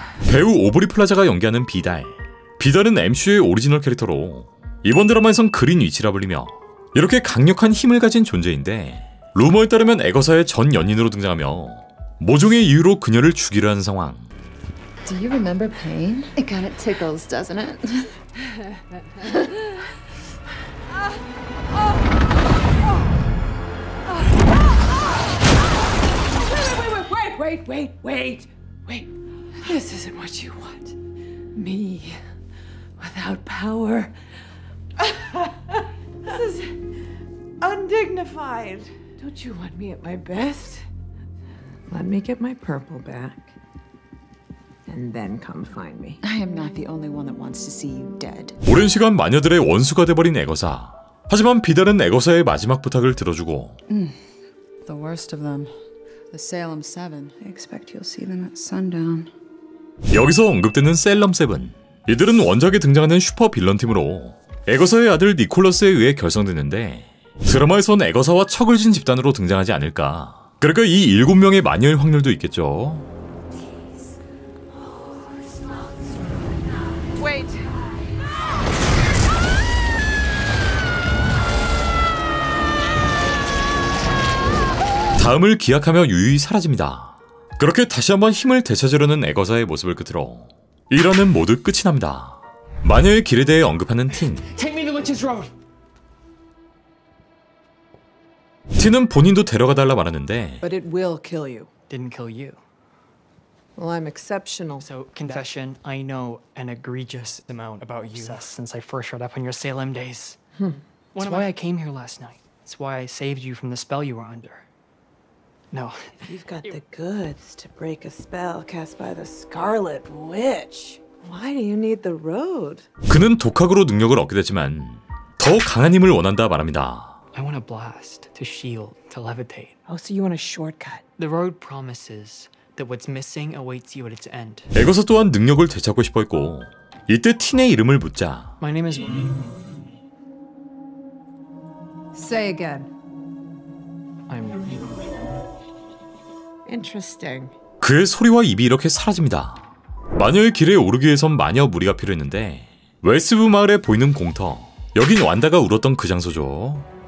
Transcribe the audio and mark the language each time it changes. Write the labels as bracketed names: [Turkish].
[Korean] 배우 오브리 플라자가 연기하는 비달. 비달은 MCU의 오리지널 캐릭터로 이번 드라마에선 그린 위치라 불리며 이렇게 강력한 힘을 가진 존재인데 루머에 따르면 에거사의 전 연인으로 등장하며 모종의 이유로 그녀를 죽이려 하는 상황. [English] Do you remember pain? It kind of tickles, doesn't it? 아, wait. This isn't what you want. Me without power. This is undignified. Don't you want me at my best? Let me get my purple back. And then come find me. I am not the only one that wants to see you dead. [Korean] 오랜 시간 마녀들의 원수가 돼버린 에거사. 하지만 비달은 에거사의 마지막 부탁을 들어주고. [English] The worst of them, the Salem Seven. I expect you'll see them at sundown. [Korean] 여기서 언급되는 셀럼 세븐. 이들은 원작에 등장하는 슈퍼 빌런 팀으로 에거사의 아들 니콜러스에 의해 결성되는데 드라마에선 에거사와 척을 진 집단으로 등장하지 않을까. 그러니까 이 일곱 명의 마녀일 확률도 있겠죠. [English] Wait. [Korean] 다음을 기약하며 유유히 사라집니다. 그렇게 다시 한번 힘을 되찾으려는 에거사의 모습을 끝으로 1화는 모두 끝이 납니다. 마녀의 길에 대해 언급하는 틴. [English] Take me to Witch's Road. [Korean] 틴은 본인도 데려가 달라 말하는데 [English] But it will kill you. Didn't kill you. Well, I'm exceptional. So, confession, I know an egregious amount about you since I first showed up on your Salem days. That's why I came here last night. That's why I saved you from the spell you were under. No. You've got the goods to break a spell cast by the Scarlet Witch. Why do you need the road? [Korean] 그는 독학으로 능력을 얻게 되지만 더 강한 힘을 원한다 말합니다. [English] I want a blast to shield, to levitate. Oh, so you want a shortcut? The road promises... That what's missing awaits you at its end. [Korean] 에거사 또한 능력을 되찾고 싶어 했고 이때 틴의 이름을 묻자 [English] My name is... Say again. I'm... Interesting. [Korean] 그의 소리와 입이 이렇게 사라집니다. 마녀의 길에 오르기 위해선 마녀 무리가 필요했는데 웨스브 마을에 보이는 공터, 여긴 완다가 울었던 그 장소죠.